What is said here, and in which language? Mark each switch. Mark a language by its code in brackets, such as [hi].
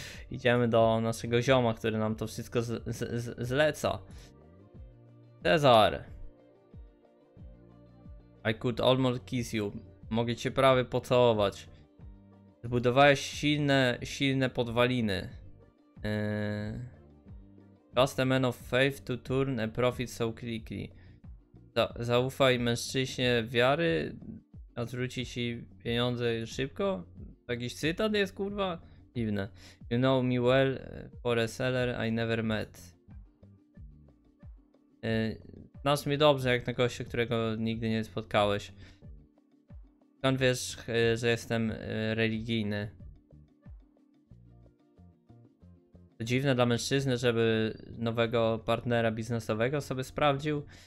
[pl] Idziemy do naszego zioma, który nam to wszystko zleca. Cezar. [en] I could almost kiss you. [pl] Mogę cię prawie pocałować. Zbudowałeś silne podwaliny. [en] Trust a man of faith to turn a profit so quickly. [pl] Zaufaj mężczyźnie wiary, a zwróci ci pieniądze szybko. Jakiś cytat jest, kurwa? Dziwne. [en] You know me well, for a seller I never met. [pl] Znasz mnie dobrze, jak na gościa, którego nigdy nie spotkałeś. Skąd wiesz, że jestem religijny? To dziwne dla mężczyzny, żeby nowego partnera biznesowego sobie sprawdził.